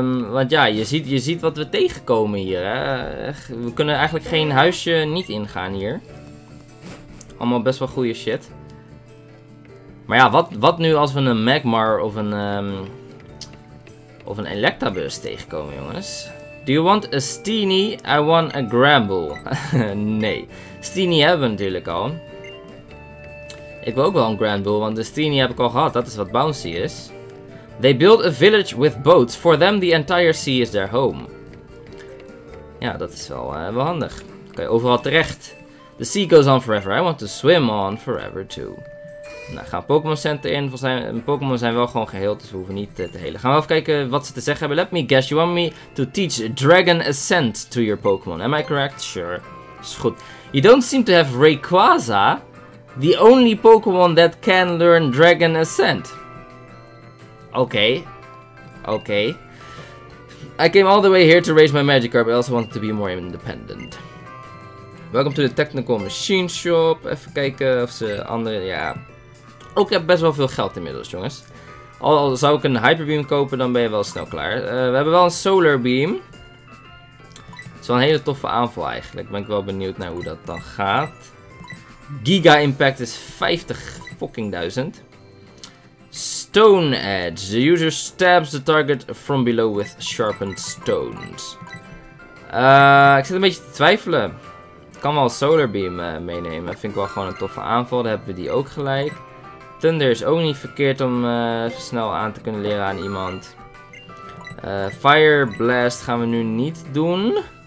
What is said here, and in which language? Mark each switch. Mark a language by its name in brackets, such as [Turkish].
[Dutch] Want ja, je ziet wat we tegenkomen hier. Hè? We kunnen eigenlijk geen huisje niet ingaan hier. Allemaal best wel goede shit. Maar ja, wat nu als we een Magmar of een Electabuzz tegenkomen, jongens? [English] Do you want a Steenie? I want a Gramble. [Dutch] Nee. Steenie hebben we natuurlijk al. Ik wil ook wel een Gramble, want de Steenie heb ik al gehad. Dat is wat Bouncy is. [English] They build a village with boats. For them, the entire sea is their home. [Dutch] Ja, dat is wel handig. Dan kan je overal terecht. [English] The sea goes on forever. I want to swim on forever too. [Dutch] Nou, gaan Pokémon Center in. Pokémon zijn wel gewoon geheeld, dus we hoeven niet te helen. Gaan we even kijken wat ze te zeggen hebben. [English] Let me guess, you want me to teach Dragon Ascent to your Pokémon. Am I correct? Sure. [Dutch] Is goed. [English] You don't seem to have Rayquaza, the only Pokémon that can learn Dragon Ascent. Okay. I came all the way here to raise my Magikarp, but I also wanted to be more independent. Welcome to the Technical Machine Shop. [Dutch] Even kijken of ze andere, ja. Ook heb best wel veel geld inmiddels, jongens. Al zou ik een Hyper Beam kopen, dan ben je wel snel klaar. We hebben wel een Solar Beam. Het is wel een hele toffe aanval eigenlijk. Ben ik wel benieuwd naar hoe dat dan gaat. Giga Impact is 50 fucking duizend. Stone Edge. [English] The user stabs the target from below with sharpened stones. [Dutch] Ik zit een beetje te twijfelen. Ik kan wel Solar Beam meenemen. Vind ik wel gewoon een toffe aanval. Dan hebben we die ook gelijk. Thunder is ook niet verkeerd om snel aan te kunnen leren aan iemand. Fire Blast gaan we nu niet doen.